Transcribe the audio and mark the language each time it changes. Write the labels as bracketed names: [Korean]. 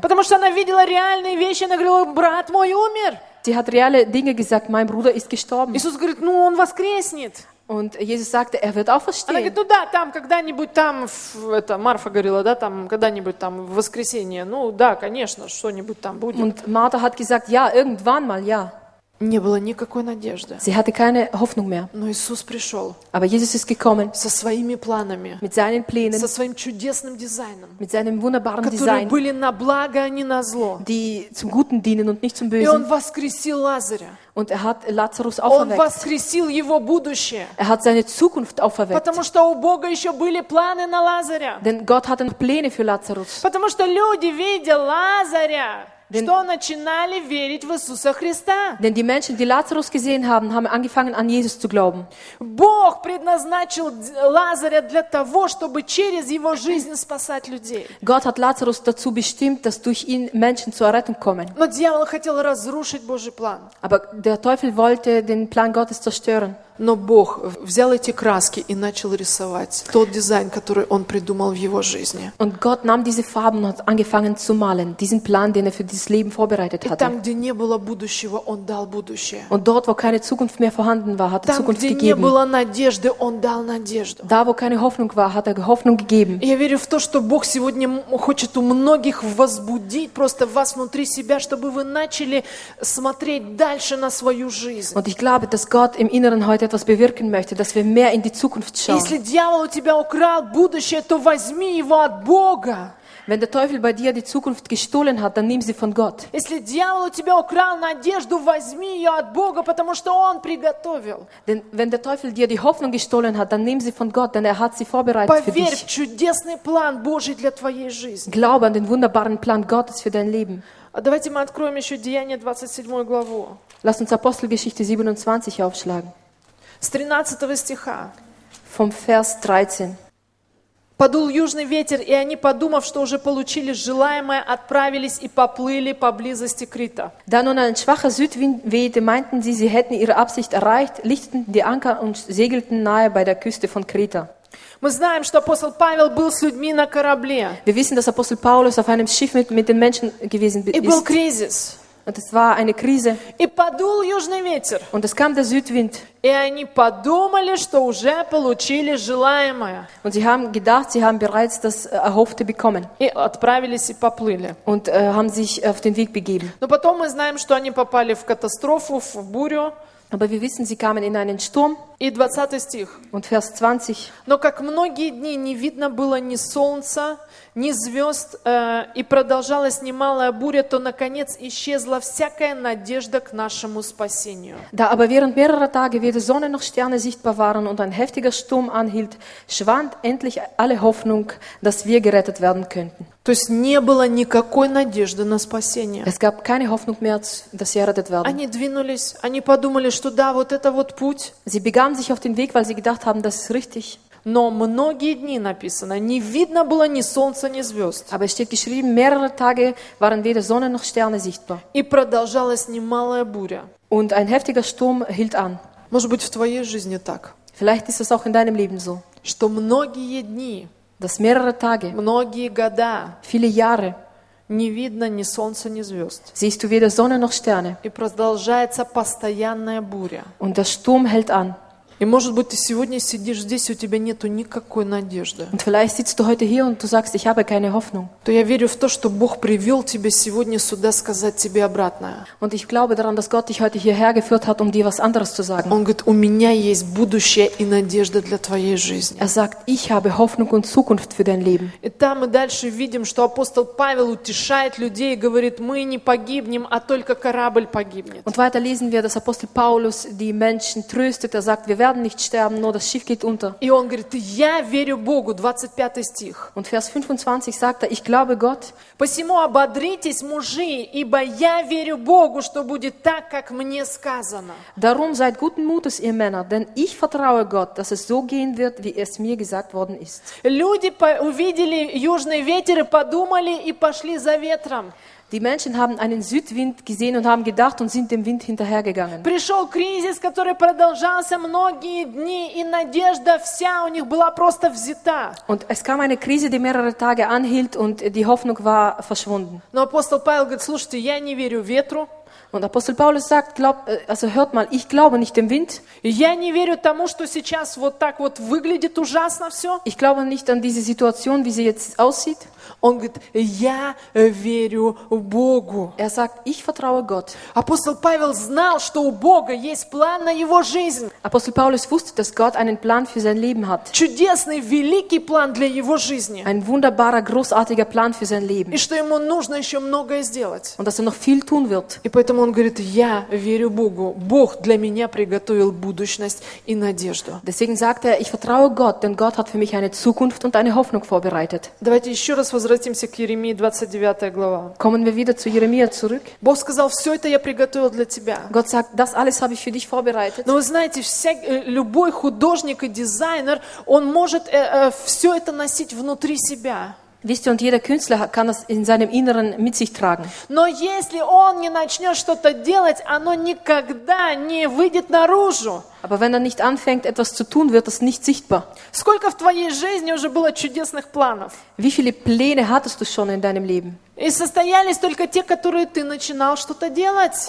[Russian] Потому что она видела реальные вещи, она говорила, брат мой умер. [German] Sie hat reale Dinge gesagt, mein Bruder ist gestorben. [Russian] Иисус говорит, ну он воскреснет. [German] Und Jesus sagte, er wird auferstehen. [Russian] Она говорит, ну да, там когда-нибудь там, это Марфа говорила, да, там когда-нибудь там в воскресенье, ну да, конечно, что-нибудь там будет. [German] Und Martha hat gesagt, ja, irgendwann mal, ja. [Russian] Не было никакой надежды. [German] Sie hatte keine Hoffnung mehr. [Russian] Но Иисус пришел. [German] Aber Jesus ist gekommen. [Russian] Со своими планами. [German] Mit seinen Plänen. [Russian] Со своим чудесным дизайном. [German] Mit seinem wunderbaren [Russian] которые [German] Design. [Russian] Были на благо, а не на зло. [German] Die zum Guten dienen und nicht zum Bösen. [Russian] И он воскресил Лазаря. [German] Und er hat Lazarus auferweckt. [Russian] Он воскресил его будущее. [German] Er hat seine Zukunft auferweckt. [Russian] Потому что у Бога еще были планы на Лазаря. [German] Denn Gott hatte noch Pläne für Lazarus. [Russian] Потому что люди видя Лазаря. Что начинали верить в Иисуса Христа? [German] Denn die Menschen, die Lazarus gesehen haben, haben angefangen an Jesus zu glauben. [Russian] Бог предназначил Лазаря для того, чтобы через его жизнь спасать людей. [German] Gott hat Lazarus dazu bestimmt, dass durch ihn Menschen zur Rettung kommen. [Russian] Но дьявол хотел разрушить Божий план. [German] Aber der Teufel wollte den Plan Gottes zerstören. [Russian] Но Бог взял эти краски и начал рисовать тот дизайн, который Он придумал в его жизни. [German] Und Gott nahm diese Farben und hat angefangen zu malen, diesen Plan, den er für dieses Leben vorbereitet hatte. [Russian] И там, где не было будущего, Он дал будущее. [German] Und dort, wo keine Zukunft mehr vorhanden war, hat er Zukunft gegeben. [Russian] Там, где не было надежды, Он дал надежду. [German] Da, wo keine Hoffnung war, hat er Hoffnung gegeben. [Russian] Я верю в то, что Бог сегодня хочет у многих возбудить просто вас внутри себя, чтобы вы начали смотреть дальше на свою жизнь. [German] Und ich glaube, dass Gott im Inneren heute etwas bewirken möchte, dass wir mehr in die Zukunft schauen. [Russian] Если дьявол у тебя украл будущее, то возьми его от Бога. [German] Wenn der Teufel bei dir die Zukunft gestohlen hat, dann nimm sie von Gott. [Russian] Если дьявол у тебя украл надежду, возьми ее от Бога, потому что Он приготовил. [German] Denn wenn der Teufel dir die Hoffnung gestohlen hat, dann nimm sie von Gott, denn er hat sie vorbereitet für dich. [Russian] Поверь в чудесный план Божий для твоей жизни. [German] Glaube an den wunderbaren Plan Gottes für dein Leben. [Russian] Давайте мы откроем еще Деяния 27 главу. [German] Lass uns Apostelgeschichte 27 aufschlagen. [Russian] С 13 стиха. [German] Vom Vers 13. [Russian] Подул южный ветер, и они, подумав, что уже получили желаемое, отправились и поплыли поблизости Крита. [German] Da nun ein schwacher Südwind wehte, meinten sie, sie hätten ihre Absicht erreicht, lichteten die Anker und segelten nahe bei der Küste von Krita. [Russian] Мы знаем, что апостол Павел был с людьми на корабле. [German] Wir wissen, dass Apostel Paulus auf einem Schiff mit den Menschen gewesen ist. [Russian] И был кризис. [German] Und es war eine Krise. [Russian] И подул южный ветер. [German] Und es kam der Südwind. [Russian] И они подумали, что уже получили желаемое. [German] Und sie haben gedacht, sie haben bereits das Erhoffte bekommen. [Russian] И отправились и поплыли. [German] Und haben sich auf den Weg begeben. [Russian] Но потом мы знаем, что они попали в катастрофу, в бурю. [German] Aber wir wissen, sie kamen in einen Sturm. [Russian] И 20 стих. [German] Und Vers 20. [Russian] Но как многие дни не видно было ни солнца, ни звезд, и продолжалась немалая буря, то, наконец, исчезла всякая надежда к нашему спасению. Да, [German] aber während mehrerer Tage weder Sonne noch Sterne sichtbar waren und ein heftiger Sturm anhielt, schwand endlich alle Hoffnung, dass wir gerettet werden könnten. [Russian] То есть не было никакой надежды на спасение. [German] Es gab keine Hoffnung mehr, dass sie errettet werden. [Russian] Они двинулись, они подумали, что да, вот это вот путь. [German] Sie begaben sich auf den Weg, weil sie gedacht haben, das ist richtig. [Russian] Но многие дни написано, не видно было ни солнца, ни звезд. [German] Aber es steht geschrieben, mehrere Tage waren weder Sonne noch Sterne sichtbar. [Russian] И продолжалась немалая буря. [German] Und ein heftiger Sturm hielt an. [Russian] Может быть, в твоей жизни так. [German] Vielleicht ist es auch in deinem Leben so. [Russian] Что многие дни, [German] dass mehrere Tage, [Russian] многие года, [German] viele Jahre, [Russian] не видно ни солнца, ни звезд. [German] Siehst du weder Sonne noch Sterne. [Russian] И продолжается постоянная буря. [German] Und der Sturm hält an. [Russian] И может быть, ты сегодня сидишь здесь, у тебя нету никакой надежды. [German] Und vielleicht sitzt du heute hier und du sagst, ich habe keine Hoffnung. [Russian] То я верю в то, что Бог привел тебя сегодня сюда сказать тебе обратное. [German] Und ich glaube daran, dass Gott dich heute hierher geführt hat, um dir was anderes zu sagen. [Russian] Он говорит, у меня есть будущее и надежда для твоей жизни. [German] Er sagt, ich habe Hoffnung und Zukunft für dein Leben. [Russian] И там мы дальше видим, что апостол Павел утешает людей и говорит, мы не погибнем, а только корабль погибнет. [German] Und weiter lesen wir, dass Apostel Paulus die Menschen tröstet. Er sagt, wir werden nicht sterben, nur das Schiff geht unter. [Russian] И он говорит, я верю Богу, 25 стих. [German] Und Vers 25 sagt er, ich glaube Gott. [Russian] Посему ободритесь, мужи, ибо я верю Богу, что будет так, как мне сказано. [German] Darum seid guten Mutes, ihr Männer, denn ich vertraue Gott, dass es so gehen wird, wie es mir gesagt worden ist. [Russian] Люди увидели южный ветер и подумали и пошли за ветром. [German] Die Menschen haben einen Südwind gesehen und haben gedacht und sind dem Wind hinterhergegangen. [Russian] Пришел кризис, который продолжался многие дни, и надежда вся у них была просто взята. [German] Und es kam eine Krise, die mehrere Tage anhielt und die Hoffnung war verschwunden. [Russian] Но апостол Павел говорит, слушайте, я не верю ветру. [German] Und Apostel Paulus sagt, hört mal, ich glaube nicht dem Wind. [Russian] Я не верю тому, что сейчас вот так вот выглядит ужасно все. [German] Ich glaube nicht an diese Situation, wie sie jetzt aussieht. [Russian] Он говорит, я верю Богу. [German] Er sagt, ich vertraue Gott. [Russian] Апостол Павел знал, что у Бога есть план на его жизнь. [German] Apostel Paulus wusste, dass Gott einen Plan für sein Leben hat. [Russian] Чудесный, великий план для его жизни. [German] Ein wunderbarer, großartiger Plan für sein Leben. [Russian] И что ему нужно еще многое сделать. [German] Und dass er noch viel tun wird. [Russian] И поэтому он говорит, я верю Богу. Бог для меня приготовил будущность и надежду. [German] Deswegen sagt er, ich vertraue Gott, denn Gott hat für mich eine Zukunft und eine Hoffnung vorbereitet. [Russian] Давайте еще раз возвратимся к Иеремии, 29 глава. [German] Kommen wir wieder zu Jeremia zurück. [Russian] Бог сказал, все это я приготовил для тебя. [German] Gott sagt, das alles habe ich für dich vorbereitet. [Russian] Но вы знаете, любой художник и дизайнер, он может все это носить внутри себя. [German] Wisst ihr, und jeder Künstler kann das in seinem Inneren mit sich tragen. [Russian] Но если он не начнет что-то делать, оно никогда не выйдет наружу. [German] Aber wenn er nicht anfängt, etwas zu tun, wird es nicht sichtbar. [Russian] Сколько в твоей жизни уже было чудесных планов? [German] Wie viele Pläne hattest du schon in deinem Leben? [Russian] И состоялись только те, которые ты начинал что-то делать.